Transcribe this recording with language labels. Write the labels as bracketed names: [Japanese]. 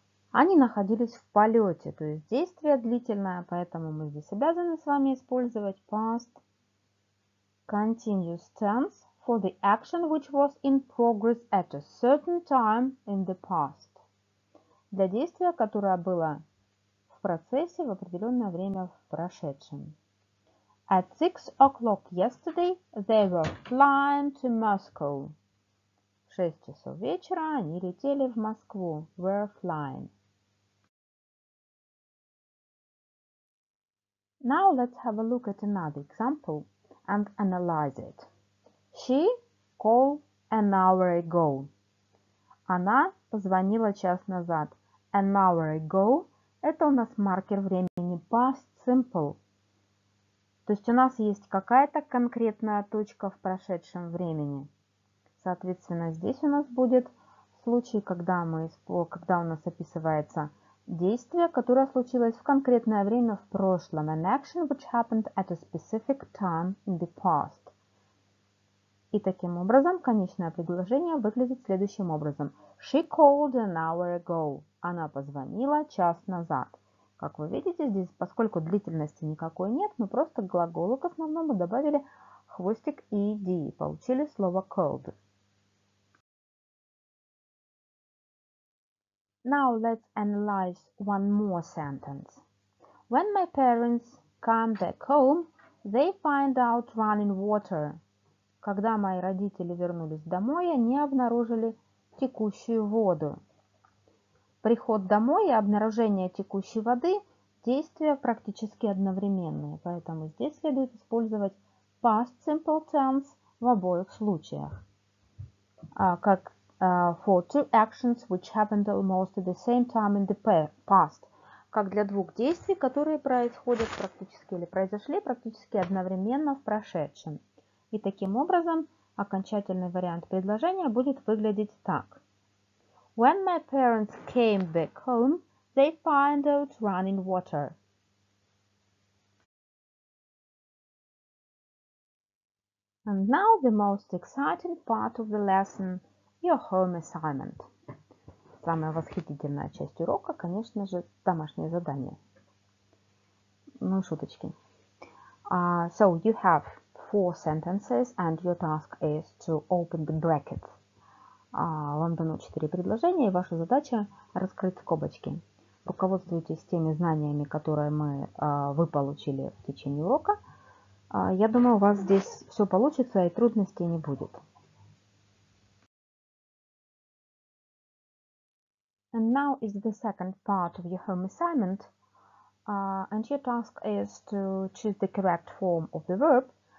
[Russian] Они находились в полете, то есть действие длительное, поэтому мы здесь обязаны с вами использовать [English] past continuous tense for the action which was in progress at a certain time in the past. [Russian] Для действия, которое было в процессе в определенное время в прошедшем. [English] At 6 o'clock yesterday they were flying to Moscow. [Russian] В 6 часов вечера они летели в Москву. [English] Were flying. Now let's have a look at another example and analyze it. She called an hour ago. [Russian] Она позвонила час назад. [English] An hour ago [Russian] – это у нас маркер времени past simple. То есть у нас есть какая-то конкретная точка в прошедшем времени. Соответственно, здесь у нас будет случай, когда у нас описывается действие, которое случилось в конкретное время в прошлом. [English] An action which happened at a specific time in the past. [Russian] И таким образом конечное предложение выглядит следующим образом. [English] She called an hour ago. [Russian] Она позвонила час назад. Как вы видите, здесь, поскольку длительности никакой нет, мы просто к глаголу к основному добавили хвостик ed и получили слово called. [English] Now let's analyze one more sentence. When my parents come back home, they find out running water. [Russian] Когда мои родители вернулись домой, они обнаружили текущую воду. Приход домой и обнаружение текущей воды – действия практически одновременные. Поэтому здесь следует использовать past simple tense в обоих случаях. [English] Как for two actions which happened almost at the same time in the past. [Russian] Как для двух действий, которые происходят практически или произошли практически одновременно в прошедшем. И таким образом окончательный вариант предложения будет выглядеть так. [English] When my parents came back home, they found out running water. And now the most exciting part of the lesson, your home assignment. [Russian] Самая восхитительная часть урока, конечно же, домашнее задание. Ну, шуточки. [English] So you have four sentences and your task is to open the brackets. [Russian] Вам дано 4 предложения, и ваша задача раскрыть скобочки. Руководствуйтесь теми знаниями, которые вы получили в течение урока. Я думаю, у вас здесь все получится, и трудностей не будет. [English] And now is the second part of your home assignment. And your task is to choose the correct form of the verb.